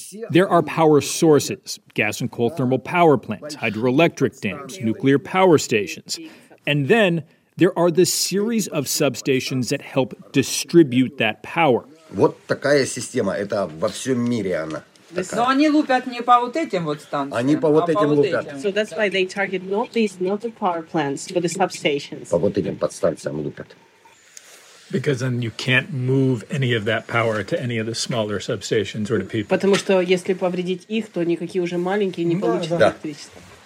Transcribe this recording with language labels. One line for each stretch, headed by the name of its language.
English: There are power sources, gas and coal thermal power plants, hydroelectric dams, nuclear power stations. And then there are the series of substations that help distribute that power.
Russian: Вот такая система, это во всем мире она. Но они лупят не по вот этим вот станциям. Они по вот этим лупят.
English: So that's why they target not these, not the power plants, but the substations.
Russian: По вот этим подстанциям лупят.
English: Because then you can't move any of that power to any of the smaller substations or to people.
Russian: Потому что если повредить их, то никакие уже маленькие не получат электричество.